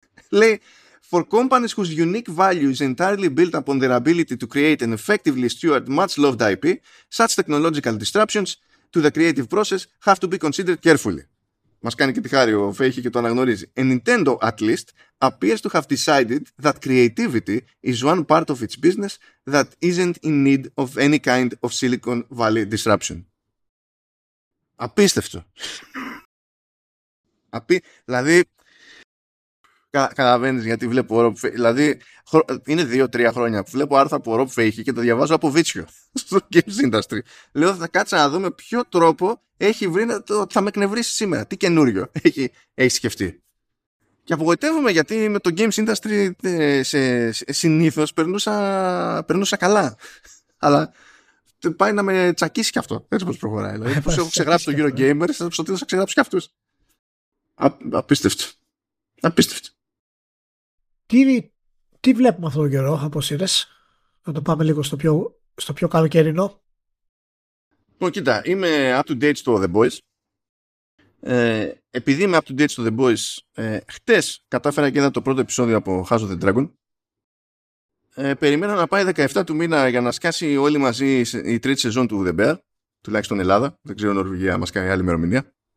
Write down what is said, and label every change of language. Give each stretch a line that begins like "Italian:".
Greek: Λέει,
English: for companies whose unique value is entirely built upon their ability to create and effectively steward much loved IP, such technological disruptions to the creative process have to be considered carefully.
Greek: Μας κάνει και τη χάρη ο Φέιχη και το αναγνωρίζει.
English: And Nintendo, at least, appears to have decided that creativity is one part of its business that isn't in need of any kind of Silicon Valley disruption.
Greek: Απίστευτο. Δηλαδή, καταλαβαίνεις γιατί βλέπω Rob Fahey. Δηλαδή, είναι 2-3 χρόνια που βλέπω άρθρα από Rob Fahey και το διαβάζω από βίτσιο στο Games Industry. Λέω, θα κάτσα να δούμε ποιο τρόπο έχει βρει να το θα με εκνευρίσει σήμερα. Τι καινούριο έχει σκεφτεί. Και απογοητεύομαι, γιατί με το Games Industry συνήθως περνούσα καλά. Αλλά πάει να με τσακίσει κι αυτό. Έτσι πως προχωράει. Δηλαδή, πως έχω ξεγράψει τον Eurogamer, θα ξεγράψω κι αυτούς. Απίστευτο. Απίστευτο. Τι βλέπουμε αυτόν τον καιρό, όπως είδες? Να το πάμε λίγο στο πιο καλοκαιρινό. Λοιπόν, κοίτα, είμαι up to date στο The Boys. Επειδή είμαι up to date στο The Boys, χτες κατάφερα και είδα το πρώτο επεισόδιο από House of the Dragon. Περιμένω να πάει 17 του μήνα για να σκάσει όλοι μαζί η τρίτη σεζόν του The Bear, τουλάχιστον Ελλάδα. Δεν ξέρω, Νορβηγία μας κάνει άλλη ημερομηνία.